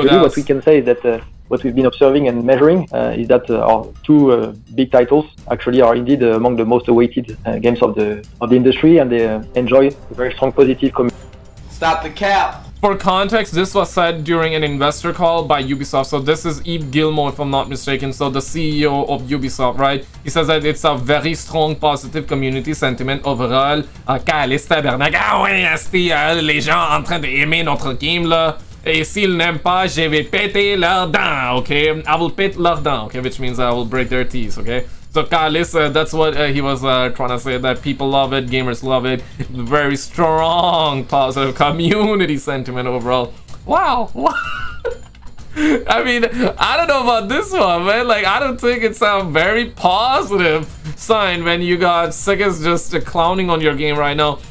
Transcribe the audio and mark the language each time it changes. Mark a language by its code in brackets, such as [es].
[en] What we can say is that what we've been observing and measuring is that our two big titles actually are indeed among the most awaited games of the industry, and they enjoy a very strong positive Stop the cap! For context, this was said during an investor call by Ubisoft. So this is Yves Guillemot, if I'm not mistaken. So the CEO of Ubisoft, right? He says that it's a very strong positive community sentiment overall. [fr] Calice tabernacle! Ah ouais, asti, les gens en train d'aimer notre game, là! Et s'ils n'aiment pas, je vais péter leurs dents, okay? [en] I will pet [fr] leurs dents, [en] okay? Which means I will break their teeth, okay? So, Kalis, that's what he was trying to say, that people love it, gamers love it. Very strong, positive community sentiment overall. Wow! I mean, I don't know about this one, man. Like, I don't think it's a very positive sign when you got Sigis just clowning on your game right now.